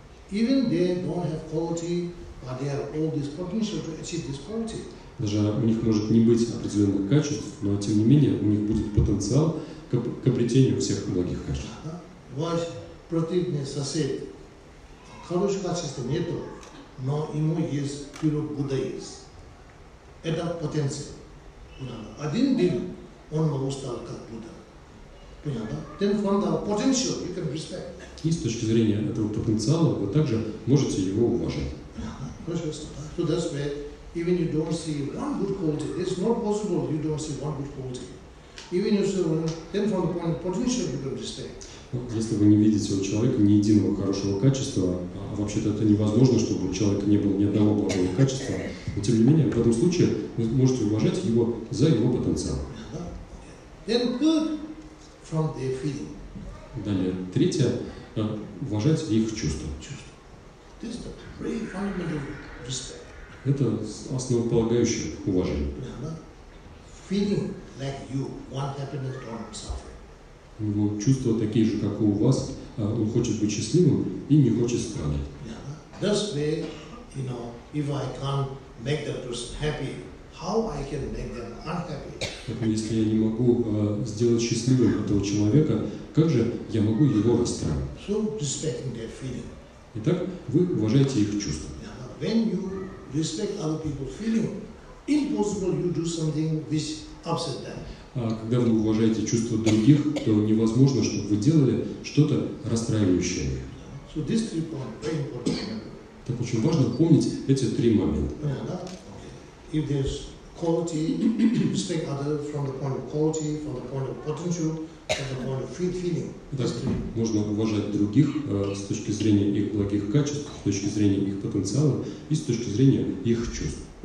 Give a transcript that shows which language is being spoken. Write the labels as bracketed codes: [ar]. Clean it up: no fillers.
[en] Even they don't have quality, but they have all this potential to achieve this quality. [ru] Даже у них может не быть определенных качеств, но тем не менее у них будет потенциал к обретению всех благих качеств. Ваш противный сосед хороших качеств нету, но ему есть пиру Будда есть. Это потенциал. Понятно? Один день он могу стать как Будда. Понятно? [en] Then from the potential you can respect. [ru] И с точки зрения этого потенциала вы также можете его уважать. Хорошо, что да? [en] So even you don't see one good quality, it's not possible you don't see one good quality. Even if you see one, then from the point of potential you can respect. [ru] Если вы не видите у человека ни единого хорошего качества, а вообще-то это невозможно, чтобы у человека не было ни одного плохого качества, но тем не менее, в этом случае вы можете уважать его за его потенциал. [en] Then good from their feeling. [ru] Далее, третье, уважать их чувства. Чувства. [en] This is the very fundamental respect. [ru] Это основополагающее уважение. [en] Feeling like you want happiness, don't suffer. [ru] У него чувства такие же, как у вас. Он хочет быть счастливым и не хочет страдать. [en] That's why, you know, if I can't make that person happy, how I can make them unhappy? [ru] Поэтому, если я не могу сделать счастливым этого человека, как же я могу его расстроить? [en] So respecting their feeling. [ru] Итак, вы уважаете их чувства. [en] When you respect other people's feeling, impossible you do something which upset them. [ru] Когда вы уважаете чувства других, то невозможно, чтобы вы делали что-то расстраивающее. [en] So this three point very important. [ru] Так очень важно помнить эти три момента. [en] Okay. If there's quality, respect other from the point of quality, from the point of potential, from the point of free feeling. [ru] Так, можно уважать других с точки зрения их благих качеств, с точки зрения их потенциала и с точки зрения их чувств.